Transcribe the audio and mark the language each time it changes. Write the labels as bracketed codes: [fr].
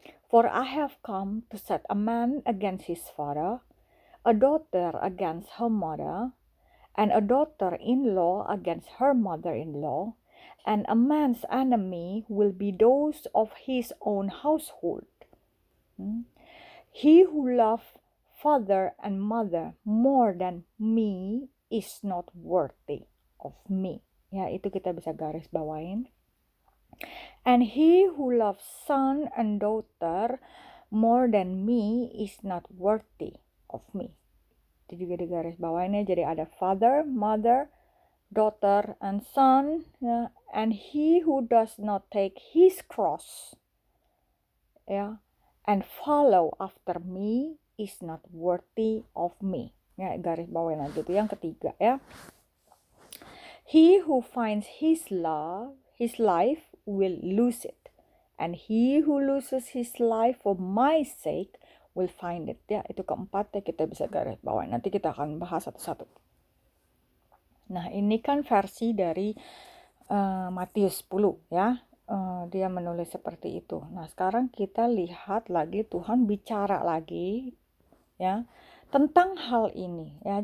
[en] For I have come to set a man against his father, a daughter against her mother, and a daughter-in-law against her mother-in-law, and a man's enemy will be those of his own household. He who loves father and mother more than me is not worthy of me. [id] Ya, itu kita bisa garis bawain. [en] And he who loves son and daughter more than me is not worthy of me. [id] Itu juga di garis bawahnya. Jadi ada [en] father, mother, daughter, and son. Ya. And he who does not take his cross, ya, and follow after me is not worthy of me. [id] Ya, garis bawahnya itu yang ketiga, ya. [en] He who finds his love, his life, will lose it, and he who loses his life for my sake will find it. [id] Ya, itu keempat ya, kita bisa garis bawahi. Nanti kita akan bahas satu-satu. Nah, ini kan versi dari Matius 10 ya. Dia menulis seperti itu. Nah, sekarang kita lihat lagi Tuhan bicara lagi ya tentang hal ini ya.